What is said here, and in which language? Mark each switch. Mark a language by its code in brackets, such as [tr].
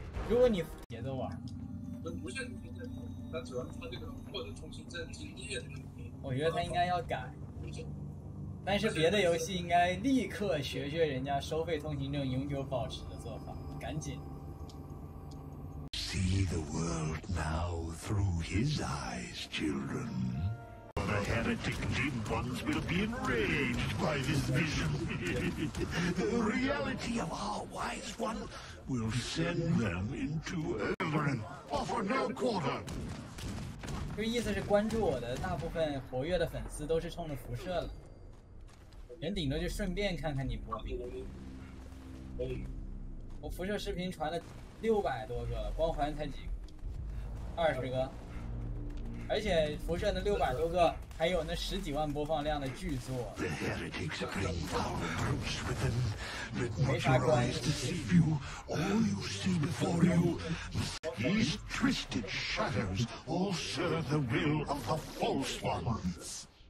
[zh] 如果你节奏啊，不限通行证，他主要他这个获得通行证经验的问题。我觉得他应该要改，但是别的游戏应该立刻学学人家收费通行证永久保持的做法，赶紧。 [en] See the world now through his eyes, children. But the heretic deep ones will be enraged by this vision. The reality of our wise one will send them into Elrin. Offer no quarter. [zh] 这个意思是关注我的大部分活跃的粉丝都是冲着辐射了。人顶多就顺便看看你播放。我辐射视频传了600多个了，光环才几个，20个，而且辐射那600多个还有那10几万播放量的巨作。 [en] The heretics bring power groups with them. Let not your eyes deceive you. All you see before you, these twisted shadows, all serve the will of the false ones.